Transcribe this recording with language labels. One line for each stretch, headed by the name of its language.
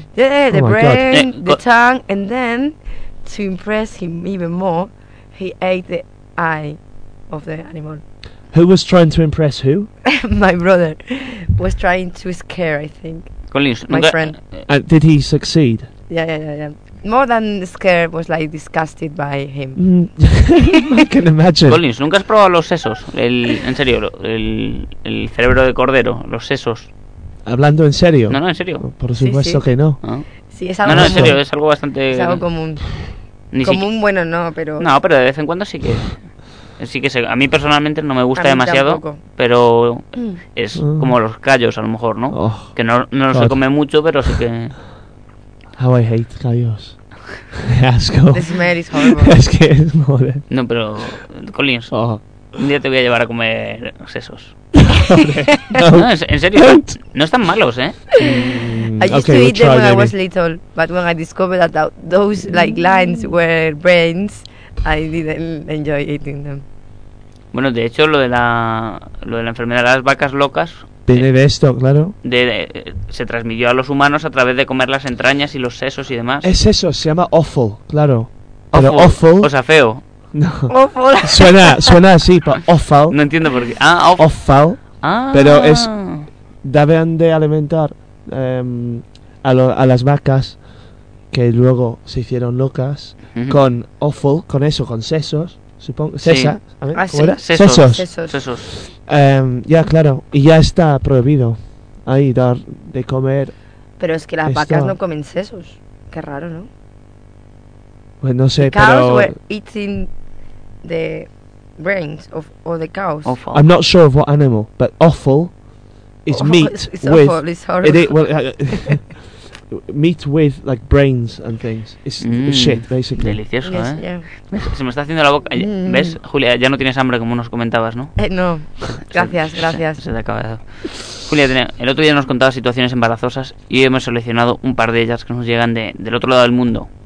English: Yeah, the brain, the tongue, and then to impress him even more, he ate the eye of the animal. Who was trying to impress who? My brother was trying to scare, I think. Collins, my friend. Did he succeed? Yeah. More than scared, was like disgusted by him. I can imagine.
Spanish: Collins, ¿nunca has probado los sesos? En serio, el cerebro de cordero, los sesos. ¿Hablando en serio? No, en serio. Por supuesto que no. Sí, es algo No, en serio, es algo bastante... Es algo común. Común, bueno, no, pero... No, pero de vez en cuando sí que a mí personalmente no me gusta demasiado, tampoco. Pero es como los callos, a lo mejor, ¿no? Oh, que no los se come mucho, pero sí que...
English: How I hate callos.
Spanish: Qué asco.
English: The smell is horrible.
Spanish: Es que es moderno. No, pero... Collins, un día te voy a llevar a comer sesos. No, en serio, no están malos, ¿eh?
English: I used to eat them when I was little, but when I discovered that those like lines were brains, I didn't enjoy eating them.
Spanish: Bueno, de hecho, lo de la enfermedad de las vacas locas viene de esto, claro. Se transmitió a los humanos a través de comer las entrañas y los sesos y demás. Es eso, se llama offal, claro. Pero offal, o sea, feo. No. Offal. Suena así, pero offal. No entiendo por qué. Ah, offal. Ah. Pero es... Deben de alimentar a las vacas que luego se hicieron locas con offal, con eso, con sesos. Sesos. Ya, claro. Y ya está prohibido ahí dar de comer Pero es que las vacas no comen sesos. Qué raro, ¿no? Pues no sé,
English: the cows
Spanish: pero...
English: were eating the brains of all the cows. Offal. I'm not sure of what animal, but offal is offal, meat it's with... Offal, it's horrible. It is, well, meat with, like, brains and things. It's shit, basically.
Spanish: Delicioso,
English: yes,
Spanish: ¿eh?
English: Yeah.
Spanish: Se me está haciendo la boca. Mm. ¿Ves, Julia? Ya no tienes hambre, como nos comentabas, ¿no? No. Gracias, gracias. Se te ha acabado. Julia, el otro día nos contabas situaciones embarazosas y hoy hemos seleccionado un par de ellas que nos llegan del otro lado del mundo.